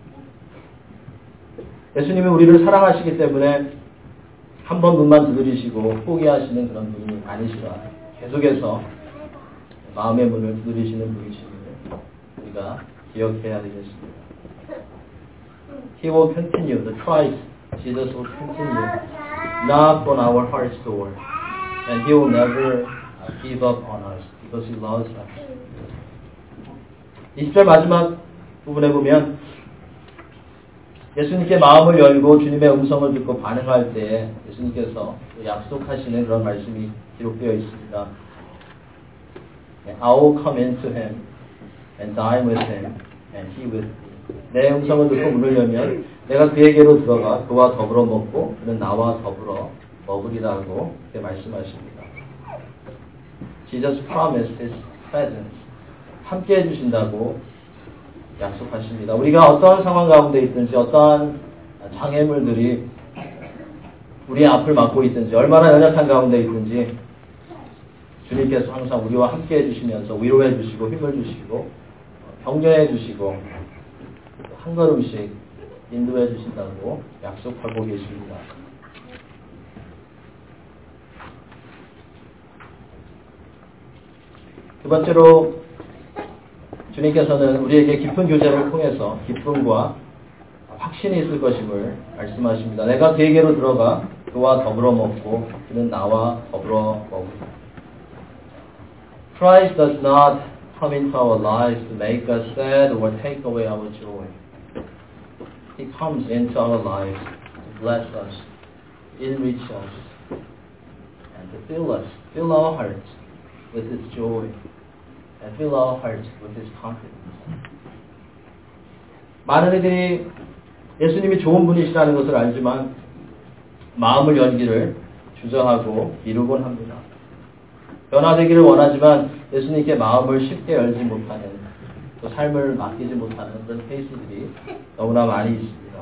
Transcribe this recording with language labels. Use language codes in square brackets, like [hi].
[ko] 예수님은 우리를 사랑하시기 때문에 한 번 문만 두드리시고 포기하시는 그런 분이 아니시라 계속해서 마음의 문을 두드리시는 분이시니 우리가 기억해야 되겠습니다. [en] He will continue, the Christ, Jesus will continue, knock on our heart's door, and He will never give up on us, because He loves us. [ko] 20절 마지막 부분에 보면, 예수님께 마음을 열고 주님의 음성을 듣고 반응할 때에 예수님께서 약속하시는 그런 말씀이 기록되어 있습니다. [en] I will come into Him, and dine with Him, and He with me. [ko] 내 음성을 듣고 문을 열면 내가 그에게로 들어가 그와 더불어 먹고 그는 나와 더불어 먹으리라고 말씀하십니다. [en] Jesus promised His presence. [ko] 함께 해주신다고 약속하십니다. 우리가 어떠한 상황 가운데 있든지 어떠한 장애물들이 우리 앞을 막고 있든지 얼마나 연약한 가운데 있든지 주님께서 항상 우리와 함께 해주시면서 위로해 주시고 힘을 주시고 격려해 주시고 한 걸음씩 인도해 주신다고 약속하고 계십니다. 두 번째로 주님께서는 우리에게 깊은 교제를 통해서 기쁨과 확신이 있을 것임을 말씀하십니다. 내가 그에게로 들어가 그와 더불어 먹고 그는 나와 더불어 먹으리라. [en] Christ does not come into our lives to make us sad or take away our joy. He comes into our lives to bless us enrich us and to fill us, fill our hearts with His joy and fill our hearts with His confidence. [ko] 많은 이들이 예수님이 좋은 분이시라는 것을 알지만 마음을 열기를 주저하고 미루곤 합니다. 변화되기를 원하지만 예수님께 마음을 쉽게 열지 못하는 또 삶을 맡기지 못하는 그런 케이스들이 너무나 많이 있습니다.